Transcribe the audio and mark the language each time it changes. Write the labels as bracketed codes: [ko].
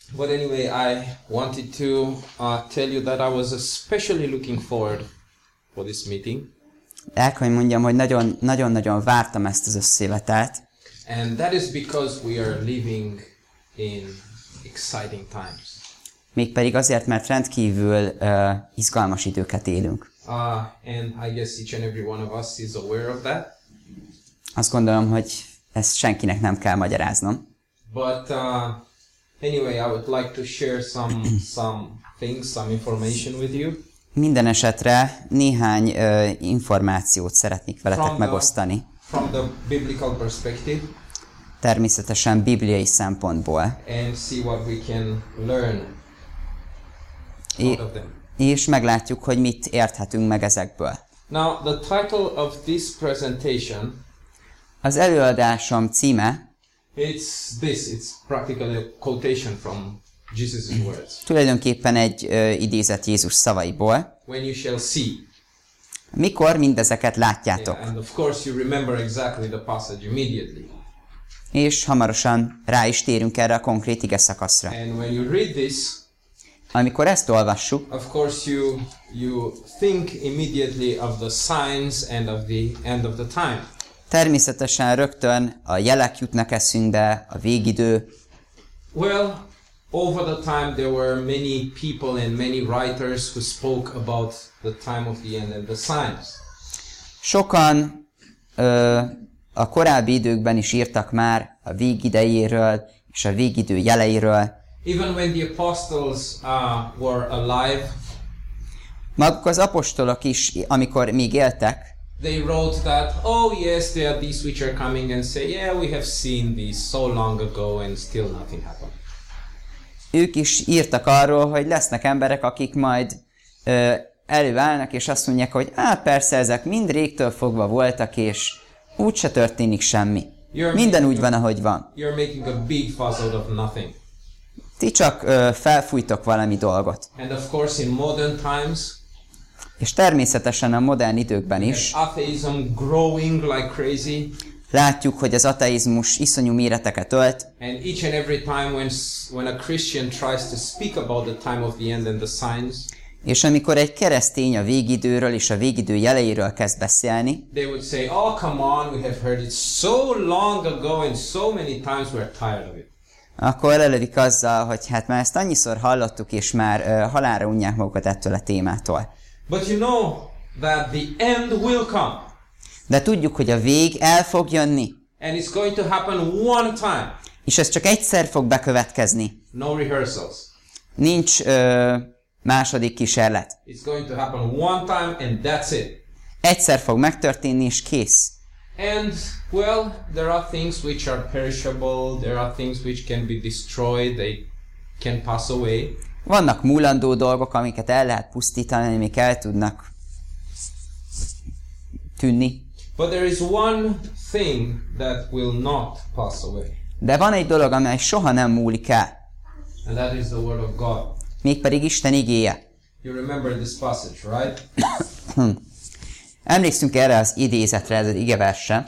[en] But anyway, I wanted to tell you that I was especially looking forward for this meeting. [hu] El kell, hogy mondjam, hogy nagyon-nagyon-nagyon vártam ezt az összejövetelt. [en] And that is because we are living in exciting times. [hu] Mégpedig azért, mert rendkívül izgalmas időket élünk. [en] And I guess each and every one of us is aware of that. [hu] Azt gondolom, hogy ezt senkinek nem kell magyaráznom. [en] But anyway, I would like to share some things, some information with you. [hu] Minden esetre néhány információt szeretnék veletek megosztani. [en] From the biblical perspective. [hu] Természetesen bibliai szempontból. [en] And see what we can learn out of them. [hu] És meglátjuk, hogy mit érthetünk meg ezekből. [en] Now, the title of this presentation. [hu] Az előadásom címe. [en] It's this. It's practically a quotation from Jesus' words. [hu] Tulajdonképpen egy idézet Jézus szavaiból. [en] When you shall see. [hu] Mikor mindezeket látjátok. [en] Yeah, and of course you remember exactly the passage immediately. [hu] És hamarosan rá is térünk erre a konkrét igeszakaszra. [en] And when you read this, [hu] amikor ezt olvassuk, [en] of course you think immediately of the signs and of the end of the time. [hu] Természetesen rögtön a jelek jutnak eszünkbe, a végidő. [en] Well, over the time there were many people and many writers who spoke about the time of the end and the signs. [hu] Sokan a korábbi időkben is írtak már a végidejéről és a végidő jeleiről. [en] Even when the apostles were alive, [hu] maguk az apostolok is, amikor még éltek, [en] they wrote that, oh yes, there are these which are coming and say, yeah, we have seen these so long ago and still nothing happened. [hu] Ők is írtak arról, hogy lesznek emberek, akik majd előállnak, és azt mondják, hogy persze, ezek mind régtől fogva voltak, és úgy se történik semmi. Minden úgy van, ahogy van. [en] You're making a big fuss out of nothing. [hu] Ti csak felfújtok valami dolgot. [en] And of course in modern times, [hu] és természetesen a modern időkben is [en] atheism growing like crazy. [hu] Látjuk, hogy az ateizmus iszonyú méreteket ölt. [en] And each and every time when a Christian tries to speak about the time of the end and the signs, [hu] és amikor egy keresztény a végidőről és a végidő jeleiről kezd beszélni, [en] they would say, oh come on, we have heard it so long ago and so many times, we're tired of it. [hu] Akkor elővik azzal, hogy hát már ezt annyiszor hallottuk, és már halálra unják magukat ettől a témától. [en] But you know that the end will come. [hu] De tudjuk, hogy a vég el fog jönni. [en] And it's going to happen one time. [hu] És ez csak egyszer fog bekövetkezni. [en] No rehearsals. [hu] Nincs második kísérlet. [en] It's going to happen one time and that's it. [hu] Egyszer fog megtörténni, és kész. [en] And well, there are things which are perishable, there are things which can be destroyed, they can pass away. [hu] Vannak múlandó dolgok, amiket el lehet pusztítani, amik el tudnak tűnni. [en] But there is one thing that will not pass away. [hu] De van egy dolog, amely soha nem múlik el. [en] And that is the word of God. [hu] Mégpedig Isten igéje. [en] You remember this passage, right? [hu] Emlékszünk erre az idézetre, ez az igeverse.